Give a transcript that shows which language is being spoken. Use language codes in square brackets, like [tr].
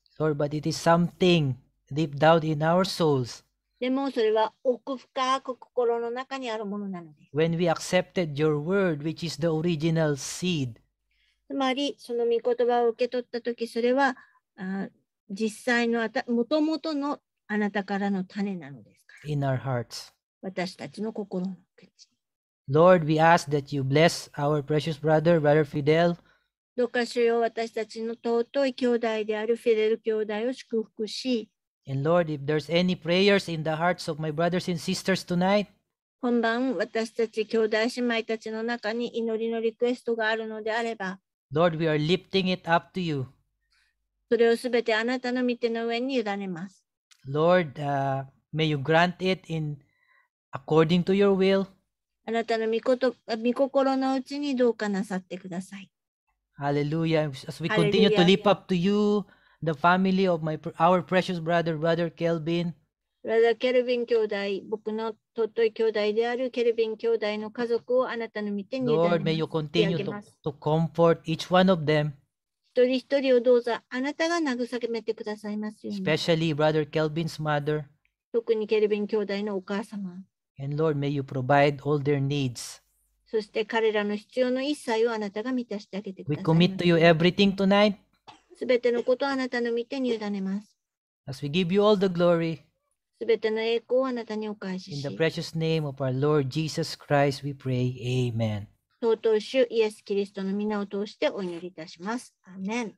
[en] Lord, but it is something deep down in our souls. [ja] でもそれは奥深く心の中にあるものなのです。 [en] When we accepted your word, which is the original seed. [ja] つまりその御言葉を受け取ったとき、それは実際のもともとのあなたからの種なのですか。 [en] In our hearts. [ja] 私たちの心の口。 [en] Lord, we ask that you bless our precious brother, Brother Fidel. [ja] どうか主よ、私たちの尊い兄弟であるフィデル兄弟を祝福し。 [en] And Lord, if there's any prayers in the hearts of my brothers and sisters tonight, [ja] 今晩私たち兄弟姉妹たちの中に祈りのリクエストがあるのであれば、 [en] Lord, we are lifting it up to you. [ja] それをすべてあなたの御手の上に委ねます。 [en] Lord, may you grant it in according to your will. [ja] あなたの御心のうちにどうかなさってください。 [en] Hallelujah. As we continue to lift up to you, the family of our precious brother, Brother Kelvin. [ja] Brother Kelvin 兄弟、僕の尊い兄弟であるケルビン兄弟の家族をあなたの御手に委ねます。 [en] Lord, may you continue to comfort each one of them. [ja] 一人一人をどうぞあなたが慰めてくださいますように。 [en] Especially Brother Kelvin's mother. [ja] 特にケルビン兄弟のお母様。 [en] And Lord, may you provide all their needs. [ja] そして彼らの必要の一切をあなたが満たしてあげてください。 [en] We commit to you everything tonight. [ja] すべてのことをあなたの御手に委ねます。 [en] As we give you all the glory. [ja] すべての栄光をあなたにお返しし。 [en] In the precious name of our Lord Jesus Christ, we pray. Amen. [ja] 尊い主イエス・キリストの皆を通してお祈りいたします。アーメン。